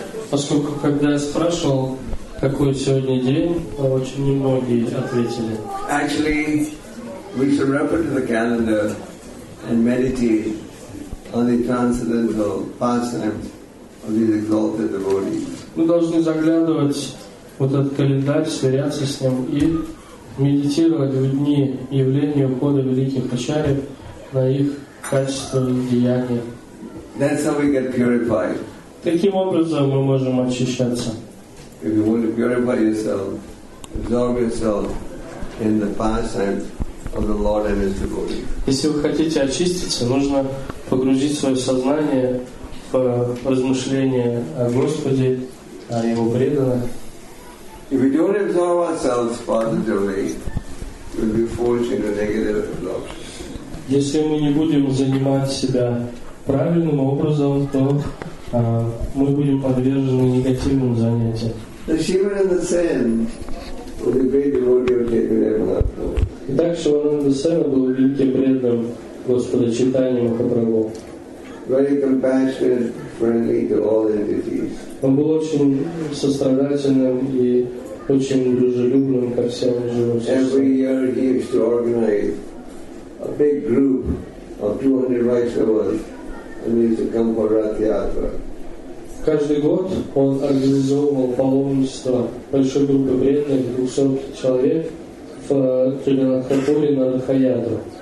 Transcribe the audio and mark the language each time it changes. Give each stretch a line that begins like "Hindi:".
Russian: Поскольку, когда я спрашивал, какой сегодня день, очень немногие ответили.
English: Actually, we should refer to the calendar and meditate on the transcendental pastimes of these exalted devotees.
Russian: Мы должны заглядывать в этот календарь, сверяться с ним и медитировать в дни явления ухода великих ачарьев на их качество и деяния.
English: That's how we get purified.
Russian: Таким образом мы можем очищаться.
English: If you want to purify yourself, absorb yourself in the pastimes of the Lord and His devotees.
Russian: Если вы хотите очиститься, нужно погрузить свое сознание в размышления о Господе, о Его преданных.
English: If we don't absorb ourselves positively, we'll be forced into negative absorption.
Russian: Если мы не будем занимать себя правильным образом, то мы будем подвержены негативным занятиям.
English: The Shiva and the Sen was a great devotee of Chaitanya Mahaprabhu.
Russian: Итак, Шивананда Сен был великим преданным Господа Чайтаньи Махапрабху.
English: Very compassionate, friendly to all entities.
Russian: Он был очень сострадательным и очень дружелюбным ко всем живым существам.
English: Every year he used to organize a big group of 200 Vaishnavas and they used to come for Rath Yatra.
Russian: Каждый год он организовывал паломничество большой группы преданных, 200 человек в Тиринатхапуре на Рахаядру.